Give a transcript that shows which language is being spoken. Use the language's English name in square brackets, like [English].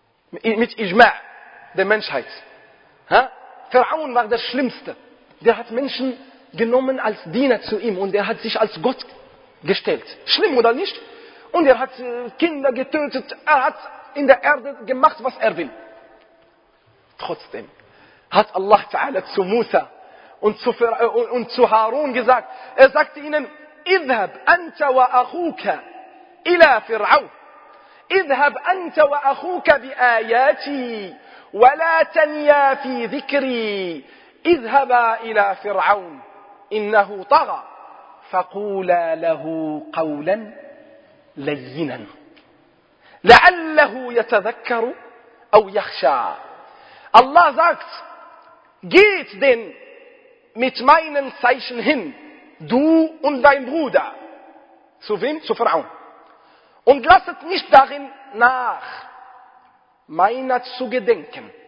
[German] Mit Ijma' der Menschheit. Pharaon war der Schlimmste. Der hat Menschen genommen als Diener zu ihm und er hat sich als Gott gestellt. Schlimm oder nicht? Und er hat Kinder getötet, er hat in der Erde gemacht, was er will. Trotzdem hat Allah Ta'ala zu Musa und zu Harun gesagt, er sagte ihnen, [Arabic] اذهب أنت وأخوك إلى فرعون اذهب أنت وأخوك بآياتي ولا تنيا في ذكري اذهبا إلى فرعون إنه طغى فقولا له قولا لينا لعله يتذكر أو يخشى. [German] الله sagt, geht denn mit meinen Zeichen hin, du und dein Bruder. Zu wem? Zu Pharaon. Und lasst nicht darin nach meiner zu gedenken.